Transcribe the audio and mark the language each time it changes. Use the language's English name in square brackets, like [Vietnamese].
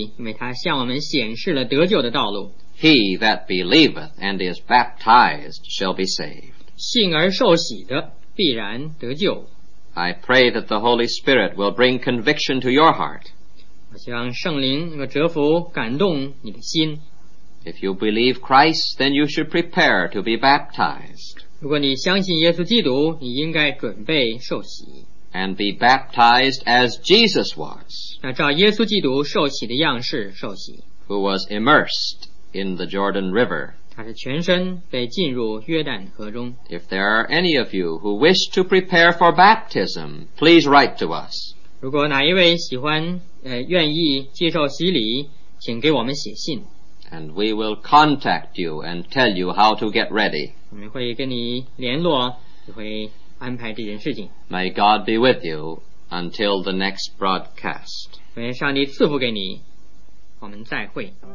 [Chinese] 朋友，我们应该感谢上帝，因为他向我们显示了得救的道路。 [English] He that believeth and is baptized shall be saved. [Chinese] 信而受洗的必然得救。 [English] I pray that the Holy Spirit will bring conviction to your heart. [Chinese] 我希望圣灵能够折服感动你的心。 [English] If you believe Christ, then you should prepare to be baptized. [Chinese] 如果你相信耶稣基督，你应该准备受洗。 [English] And be baptized as Jesus was. [Chinese] 那照耶稣基督受洗的样式受洗。 [English] Who was immersed in the Jordan River. [Chinese] 他是全身被浸入约旦河中。 [English] If there are any of you who wish to prepare for baptism, please write to us. [Chinese] 如果哪一位愿意接受洗礼，请给我们写信。 [English] And we will contact you and tell you how to get ready. [Chinese] 我们会跟你联络,会安排这件事情。 [English] May God be with you until the next broadcast. [Chinese] 愿上帝赐福给你，我们再会。